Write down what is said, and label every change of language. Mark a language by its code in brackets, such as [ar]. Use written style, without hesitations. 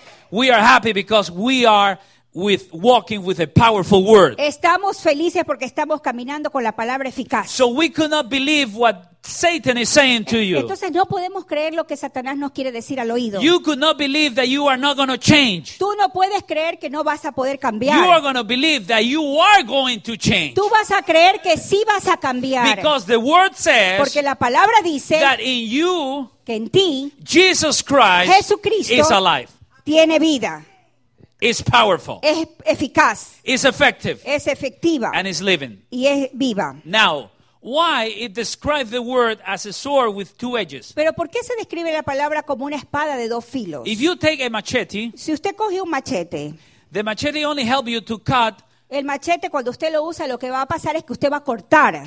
[en] We are happy because we are with walking with a powerful word. [es] Estamos felices porque estamos caminando con la palabra eficaz. [en] So we could not believe what Satan is saying to you. [es] Entonces no podemos creer lo que Satanás nos quiere decir al oído. [en] You could not believe that you are not going to change. [es] Tú no puedes creer que no vas a poder cambiar. [en] You are going to believe that you are going to change. [es] Tú vas a creer que sí vas a cambiar. [en] Because the word says, [es] porque la palabra dice, [en] that in you, [es] que en ti, [en] Jesus Christ, [es] Jesucristo, [en] is alive. [es] Tiene vida. [en] Is powerful. [es] Es eficaz. [en] Is effective. [es] Es efectiva. [en] And is living. [es] Y es viva. [en] Now, why it describes the word as a sword with two edges? [es] Pero ¿por qué se describe la palabra como una espada de dos filos? [en] If you take a machete, [es] si usted coge un machete, [en] the machete only help you to cut. [es] El machete cuando usted lo usa, lo que va a pasar es que usted va a cortar